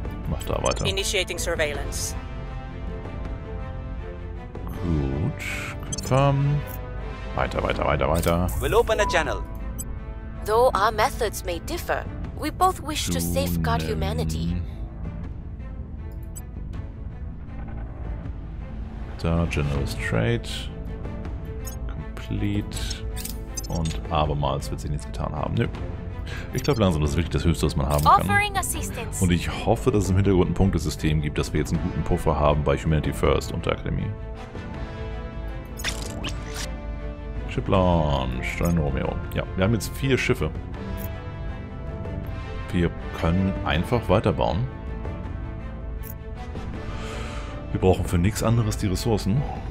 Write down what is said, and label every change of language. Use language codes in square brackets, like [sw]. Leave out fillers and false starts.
[de] Mach da weiter. [en] Initiating surveillance. [de] Gut. Confirm. Weiter, weiter, weiter, weiter. [en] We'll open a channel. Though our methods may differ, we both wish to safeguard humanity. Da, generous trade. Complete. [de] Und abermals wird sich nichts getan haben. Nö. Ich glaube langsam, das ist wirklich das Höchste, was man haben kann. Und ich hoffe, dass es im Hintergrund ein Punktesystem gibt, dass wir jetzt einen guten Puffer haben bei Humanity First und der Akademie. [en] Ship Launch, Stern Romeo. [de] Ja, wir haben jetzt 4 Schiffe. Wir können einfach weiterbauen. Wir brauchen für nichts anderes die Ressourcen.